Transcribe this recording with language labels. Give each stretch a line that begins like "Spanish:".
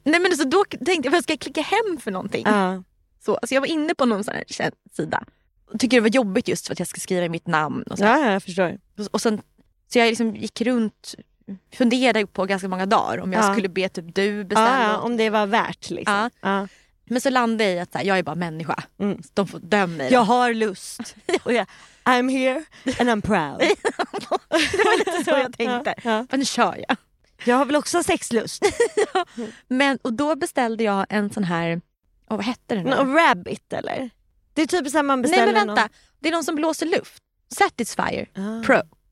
Swedish: Nej, men så då tänkte jag, ska jag klicka hem för någonting? Så alltså jag var inne på någon sån här sida. Och tycker det var jobbigt just för att jag ska skriva mitt namn och så. Ja, jag förstår. Och sen, så jag liksom gick runt, funderade på ganska många dagar om jag skulle be typ du bestämma. Ja, om det var värt liksom. Men så landade jag i att så här, jag är bara människa. Mm. De får döma mig. Jag har lust. Och jag,
English: I'm here and I'm proud.
Swedish: Det var lite så jag tänkte. Ja. Men nu kör jag. Jag har väl också sexlust. Men, och då beställde jag en sån här... Oh, vad heter den? En rabbit, eller? Det är typ så här man beställer... Nej, men vänta. Någon. Det är någon som blåser luft. Satisfyer Pro.